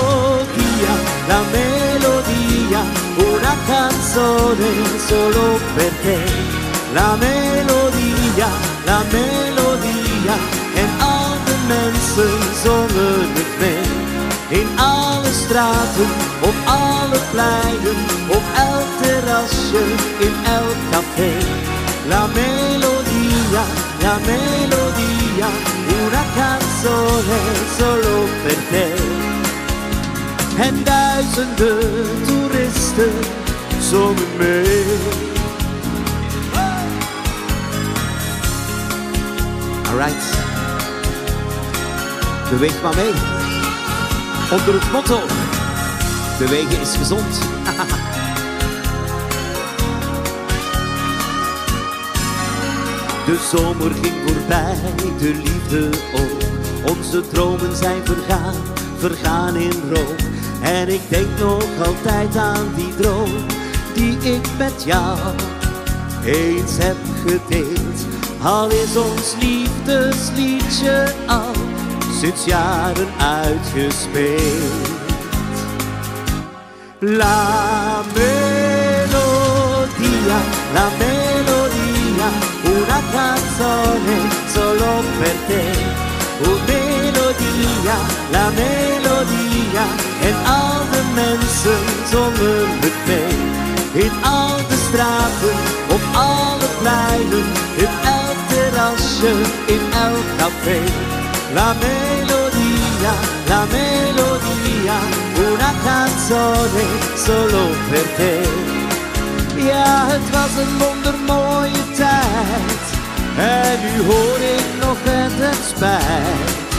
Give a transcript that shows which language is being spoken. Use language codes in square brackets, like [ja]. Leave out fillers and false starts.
[it] La melodia, una canzone solo per te. La melodia, [nl] en al de mensen zongen het mee. In alle straten, op alle pleinen, op elk terrasje, in elk café. [it] La melodia, una canzone solo per te. [nl] En duizenden toeristen zongen mee. Alright, beweeg maar mee. Onder het motto, bewegen is gezond. De zomer ging voorbij, de liefde ook. Onze dromen zijn vergaan, vergaan in rook. En ik denk nog altijd aan die droom die ik met jou eens heb gedeeld. Al is ons liefdesliedje al sinds jaren uitgespeeld. [it] La melodia, la melodia, una canzone solo per te. Una melodia, la melodia, [nl] en al de mensen zongen met me. In al de straten, op alle pleinen, in elk terrasje, in elk café. [it] La melodia, la melodia, una canzone solo per te. [nl] Ja, het was een wondermooie tijd, en nu hoor ik nog het spijt.